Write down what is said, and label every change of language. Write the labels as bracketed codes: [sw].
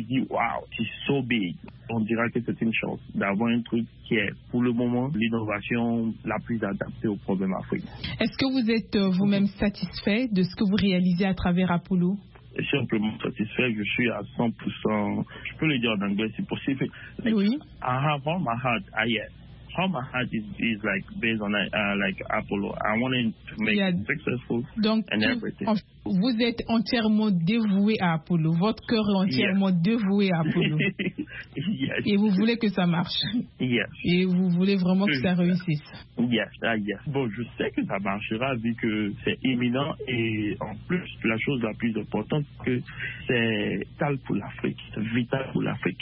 [fr] Il dit « Wow, c'est [en] so big [fr] ». On dira que c'est une chance d'avoir un truc qui est, pour le moment, l'innovation la plus adaptée aux problèmes africains. Est-ce que vous êtes vous-même satisfait de ce que vous réalisez à travers Apollo? Simplement satisfait, je suis à 100%, je peux le dire en anglais si possible. Oui. [en] I have all my heart, yes. How my heart is like based on like Apollo. I wanted to make it successful [fr] donc, [en] and everything. [fr] Donc, vous êtes entièrement dévoué à Apollo. Votre cœur est entièrement dévoué à Apollo. [en] Yes. [fr] Et vous voulez que ça marche. [en] Yes. [fr] Et vous voulez vraiment que ça réussisse. [en] Yes. Yes. [fr] Bon, je sais que ça marchera vu que c'est imminent et en plus, la chose la plus importante, que c'est vital pour l'Afrique. C'est vital pour l'Afrique.